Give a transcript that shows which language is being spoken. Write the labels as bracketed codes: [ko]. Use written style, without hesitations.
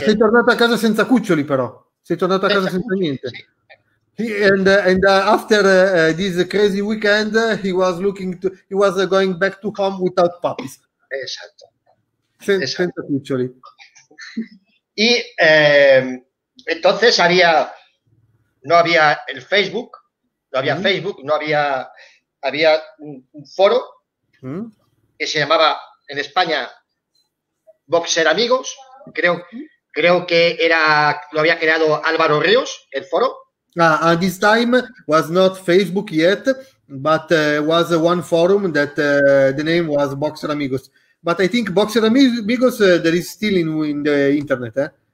[it] sei tornato a casa senza cuccioli però, sei tornato a casa senza niente. Sì. [en] And after this crazy weekend, he was going back to home without puppies. [it] Esatto. Senza cuccioli. [es] Y entonces no había el Facebook. No había Facebook, no había, había un foro que se llamaba en España Boxer Amigos, creo que era, lo había creado Álvaro Ríos, el foro. [en] At this time was not Facebook yet, but was one forum that the name was Boxer Amigos. But I think Boxer Amigos there is still in the internet, eh?